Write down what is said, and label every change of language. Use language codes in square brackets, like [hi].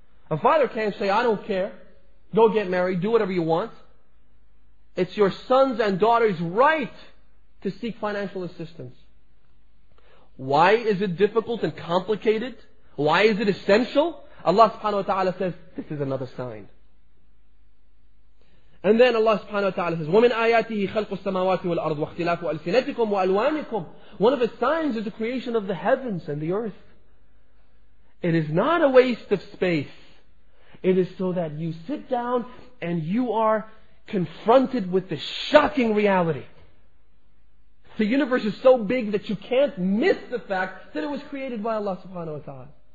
[en] A father can't say, I don't care. Go get married. Do whatever you want. It's your son's and daughter's right to seek financial assistance. Why is it difficult and complicated? Why is it essential? Allah subhanahu wa ta'ala says, this is another sign. And then Allah subhanahu wa ta'ala says, [ar] وَمِنْ آيَاتِهِ خَلْقُ السَّمَاوَاتِ وَالْأَرْضِ وَاخْتِلَافُ أَلْسِنَتِكُمْ وَأَلْوَانِكُمْ. [en] One of his signs is the creation of the heavens and the earth. It is not a waste of space. It is so that you sit down and you are confronted with the shocking reality. The universe is so big that you can't miss the fact that it was created by Allah subhanahu wa ta'ala.